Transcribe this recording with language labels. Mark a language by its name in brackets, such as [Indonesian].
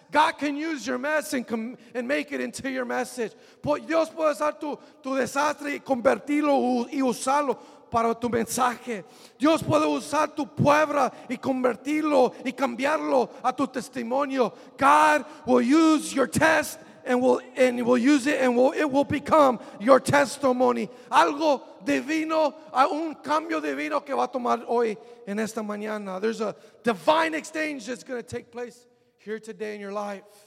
[English] God can use your mess and make it into your message. [Spanish] Dios puede usar tu desastre y convertirlo y usarlo para tu mensaje. Dios puede usar tu puebla y convertirlo y cambiarlo a tu testimonio. [English] God will use your test and will use it and it will become your testimony. [Spanish] Algo divino, un cambio divino que va a tomar hoy en esta mañana. [English] There's a divine exchange that's going to take place here today in your life.